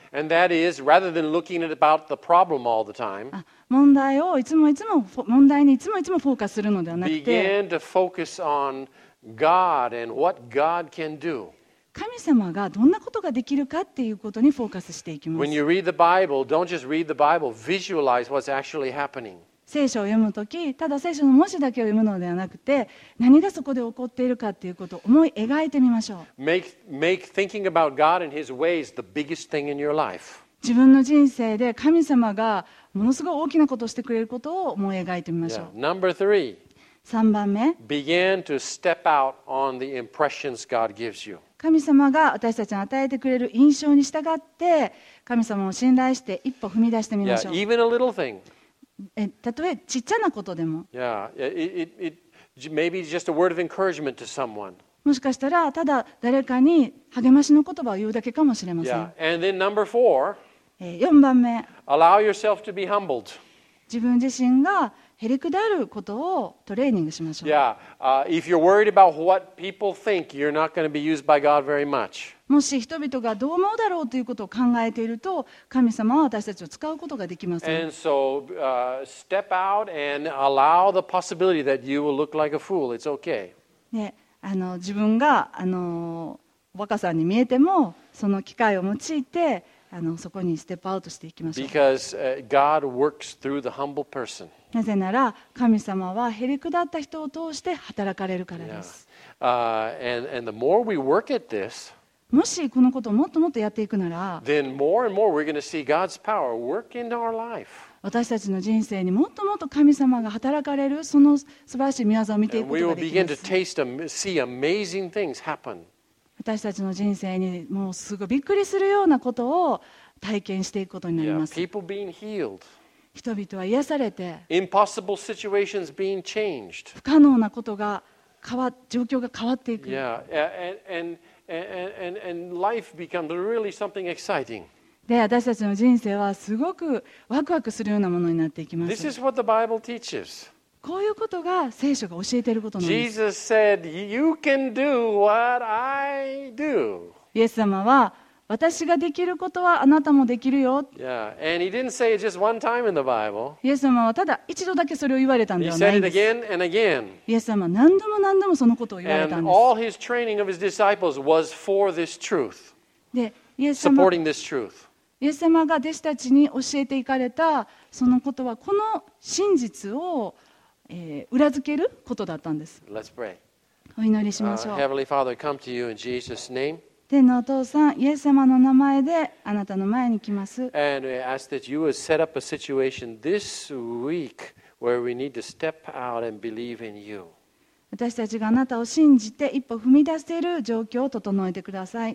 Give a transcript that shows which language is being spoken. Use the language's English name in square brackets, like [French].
[English] And that is, rather than looking at about the problem all the time, [Japanese] 問題をいつもいつも問題にいつもいつもフォーカスするのではなくて [English] begin to focus onGod and what God can do. [Japanese] 神様がどんなことができるかっていうことにフォーカスしていきます。 [English] When you read the Bible, don't just read the Bible. Visualize what's actually happening. [Japanese] 聖書を読むとき、ただ聖書の文字だけを読むのではなくて、何がそこで起こっているかっていうことを思い描いてみましょう。 [English] Make thinking about God and His ways the biggest thing in your life. [Japanese] 自分の人生で神様がものすごい大きなことをしてくれることを思い描いてみましょう。 [English] Yeah. Number three. [Japanese] 3番目 [English] Begin to step out on the impressions God gives you. [Japanese] 神様が私たちに与えてくれる印象に従って神様を信頼して一歩踏み出してみましょう。 [English] Yeah, even a little thing. [Japanese] たとえちっちゃなことでも。 [English] Yeah, it maybe just a word of encouragement to someone. [Japanese] もしかしたらただ誰かに励ましの言葉を言うだけかもしれません。 [English] Yeah, and then number four. [Japanese] 4番目 [English] Allow yourself to be humbled. [Japanese] 自分自身がへりくだることをトレーニングしましょう。 [English] Yeah, if you're worried about what people think, you're not going to be used by God very much. [Japanese] もし人々がどう思うだろうということを考えていると、神様は私たちを使うことができません。 [English] And so, step out and allow the possibility that you will look like a fool. It's okay. [Japanese] ね、自分が若さに見えても、その機会を用いてそこにステップアウトしていきましょう。 [English] Because, God works through the humble person. [Japanese] なぜなら神様はへりくだった人を通して働かれるからです。 yeah. [English] And the more we work at this, [Japanese] もしこのことをもっともっとやっていくなら [English] then more and more we're going to see God's power work in our life. [Japanese] 私たちの人生にもっともっと神様が働かれるその素晴らしい御業を見ていくことができます。 [English] We will begin to taste and see amazing things happen. [Japanese] 私たちの人生にもうすごいびっくりするようなことを体験していくことになります。 [English] Yeah. People being healed. [Japanese] 人々は癒されて、 [English] Impossible situations being changed. [Japanese] 不可能なことが変わ、状況が変わっていく。 [English] Yeah, and life becomes really something exciting. [Japanese] で、私たちの人生はすごくワクワクするようなものになっていきます。 [English] This is what the Bible teaches. [Japanese] こういうことが聖書が教えていることなんです。 [English] Jesus said, "You can do what I do." [Japanese] イエス様は私ができることはあなたもできるよ。 [English] Yeah, and he didn't say it just one time in the Bible. [Japanese] イエス様はただ一度だけそれを言われたんではないんです。 [English] He said it again and again. [Japanese] イエス様は何度も何度もそのことを言われたんです。 [English] And all his training of his disciples was for this truth. [Japanese] で、イエス [English] 様、supporting this truth. [Japanese] イエス様が弟子たちに教えていかれたそのことはこの真実を、裏付けることだったんです。 [English] Let's pray. [Japanese] お祈りしましょう。 [English] Heavenly Father, come to you in Jesus' name. [Japanese] 天のお父さん、イエス様の名前であなたの前に来ます。 [English] And we ask that you would set up a situation this week where we need to step out and believe in you. [Japanese] 私たちがあなたを信じて一歩踏み出している状況を整えてください。